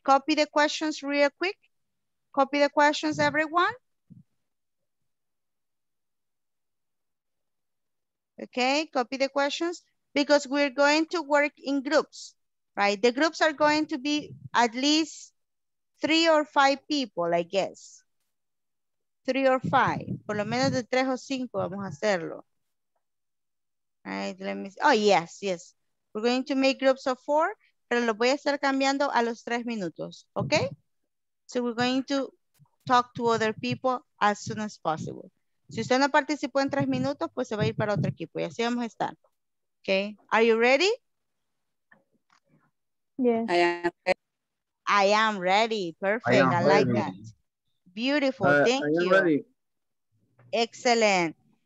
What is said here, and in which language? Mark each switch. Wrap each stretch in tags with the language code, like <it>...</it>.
<en>Copy the questions real quick. Copy the questions, everyone. Okay, copy the questions. because we're going to work in groups, right? The groups are going to be at least 3 or 5 people, I guess.</en> <es>3 or 5, por lo menos de 3 o 5 vamos a hacerlo.</es> <en>Right, let me see. Oh, yes, yes. We're going to make groups of 4,</en> <es>pero lo voy a estar cambiando a los 3 minutos,</es> <en>okay? So we're going to talk to other people as soon as possible.</en> <es>Si usted no participó en 3 minutos, pues se va a ir para otro equipo y así vamos a estar.</es> <en>Okay, are you ready? Yes. I am ready. Perfect, I like that. Beautiful, thank you. Excellent.</en>